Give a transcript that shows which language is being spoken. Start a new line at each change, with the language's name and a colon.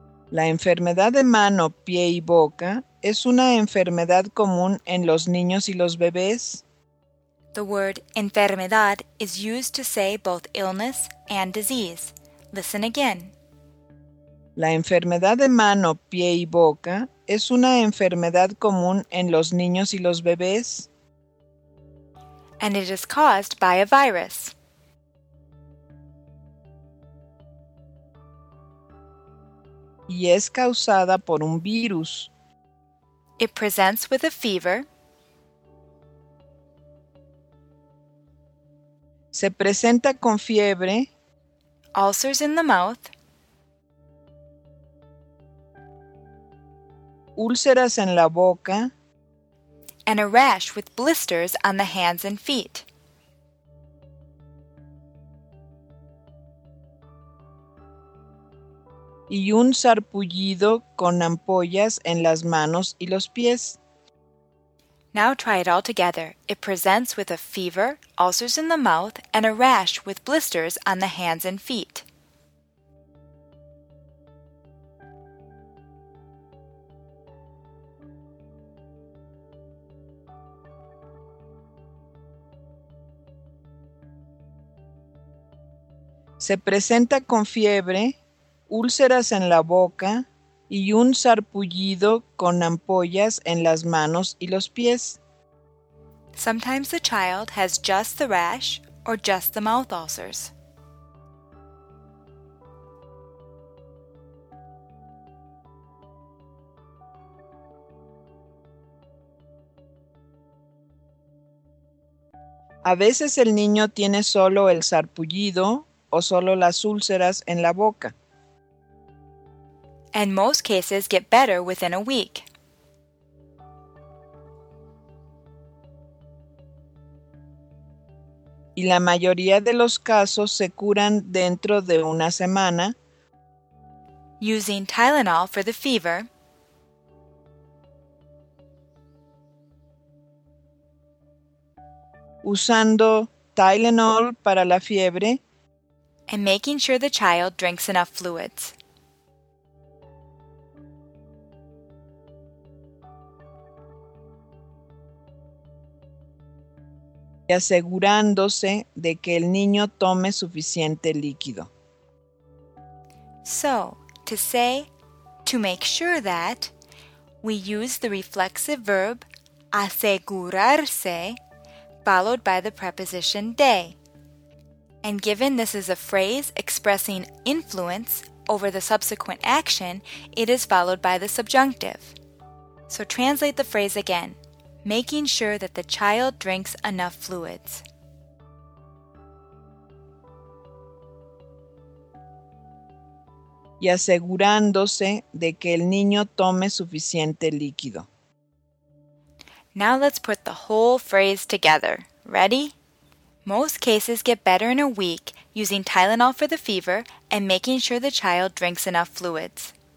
Spanish: La enfermedad de mano, pie y boca es una enfermedad común en los niños y los bebés.
English: The word enfermedad is used to say both illness and disease. Listen again.
Spanish: La enfermedad de mano, pie y boca es una enfermedad común en los niños y los bebés.
English: And it is caused by a virus.
Spanish: Y es causada por un virus.
English: It presents with a fever.
Spanish: Se presenta con fiebre.
English: Ulcers in the mouth.
Spanish: Úlceras en la boca.
English: And a rash with blisters on the hands and feet.
Spanish: Y un sarpullido con ampollas en las manos y los pies.
English: Now try it all together. It presents with a fever, ulcers in the mouth, and a rash with blisters on the hands and feet.
Spanish: Se presenta con fiebre, úlceras en la boca y un sarpullido con ampollas en las manos y los pies.
English: Sometimes the child has just the rash or just the mouth ulcers.
Spanish: A veces el niño tiene solo el sarpullido o solo las úlceras en la boca.
English: And most cases get better within a week.
Spanish: Y la mayoría de los casos se curan dentro de una semana.
English: Using Tylenol for the fever.
Spanish: Usando Tylenol para la fiebre.
English: And making sure the child drinks enough fluids.
Spanish: Y asegurándose de que el niño tome suficiente líquido.
English: So, to say, to make sure that, we use the reflexive verb asegurarse, followed by the preposition de. And given this is a phrase expressing influence over the subsequent action, it is followed by the subjunctive. So translate the phrase again, making sure that the child drinks enough fluids.
Spanish: Y asegurándose de que el niño tome suficiente líquido.
English: Now let's put the whole phrase together. Ready? Most cases get better in a week using Tylenol for the fever and making sure the child drinks enough fluids.